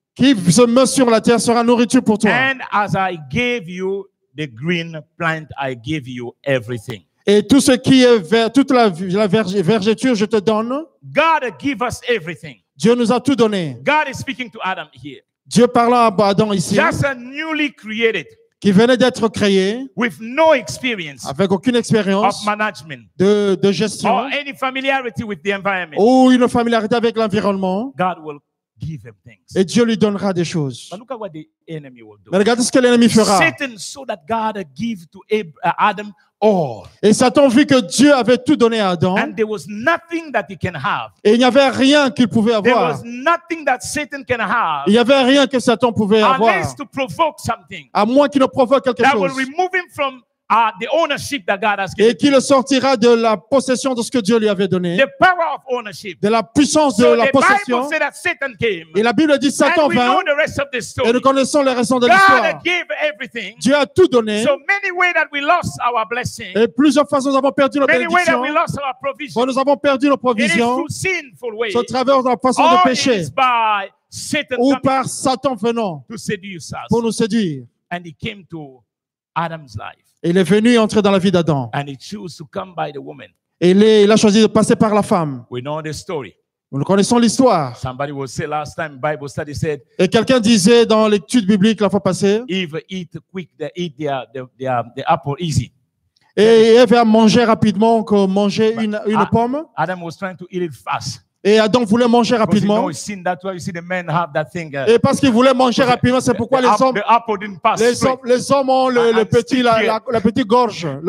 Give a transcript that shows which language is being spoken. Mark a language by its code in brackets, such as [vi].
[fr] Qui se meut sur la terre sera nourriture pour toi. [en] And as I gave you the green plant, I gave you everything. [fr] Et tout ce qui est vert, toute la vergeture, je te donne. [en] God give us everything. [fr] Dieu nous a tout donné. [en] God is speaking to Adam here. [fr] Dieu parlant à Adam ici. [en] Just a newly created. [fr] Qui venait d'être créé. [en] With no experience. [fr] Avec aucune expérience. [en] Of management. [fr] De gestion. [en] Or any familiarity with the environment. [fr] Ou une familiarité avec l'environnement. [en] God will give him things. [fr] Et Dieu lui donnera des choses. [en] But look at what the enemy will do. [fr] Mais regardez ce que l'ennemi fera. [en] Satan saw that God give to Adam. Oh. [fr] Et Satan vit que Dieu avait tout donné à Adam. [en] And there was nothing that he can have. [fr] Et il n'y avait rien qu'il pouvait avoir. [en] There was nothing that Satan can have. [fr] Il n'y avait rien que Satan pouvait avoir. [en] Unless to provoke something. [fr] À moins qu'il ne provoque quelque [en] that [fr] chose. [en] That will remove him from the ownership that God has given. [fr] Et qui le sortira de la possession de ce que Dieu lui avait donné. [en] The power of ownership. [fr] De la puissance de [en] so [fr] la possession. [en] The Bible says that Satan came. [fr] Et la Bible dit Satan vint. [en] And we know the rest of the story. [fr] Et nous connaissons le reste de l'histoire. [en] God gave everything. [fr] Dieu a tout donné. [en] So many ways that we lost our blessing. [fr] Et plusieurs façons nous avons perdu nos bénédictions. [en] Many ways that we lost our provision. [fr] Nous avons perdu nos provisions. [en] It is through sinful ways. [fr] Au travers de la façon [en] or [fr] de pécher. [en] It is by Satan [fr] ou par Satan venant. [en] To seduce us. [fr] Pour nous séduire. [en] And he came to Adam's life. [fr] Il est venu entrer dans la vie d'Adam. [en] And he chose to come by the woman. [fr] Et il a choisi de passer par la femme. [en] We know the story. [fr] Nous connaissons l'histoire. [en] Somebody will say last time Bible study said, [fr] et quelqu'un disait dans l'étude biblique la fois passée. [en] Eve eat quick, they eat the apple easy. [fr] Et Eve a mangé rapidement comme manger une pomme. [en] Adam was trying to eat it fast. [fr] Et Adam voulait manger rapidement. Et parce qu'il voulait manger rapidement, c'est pourquoi les hommes ont la petite gorge.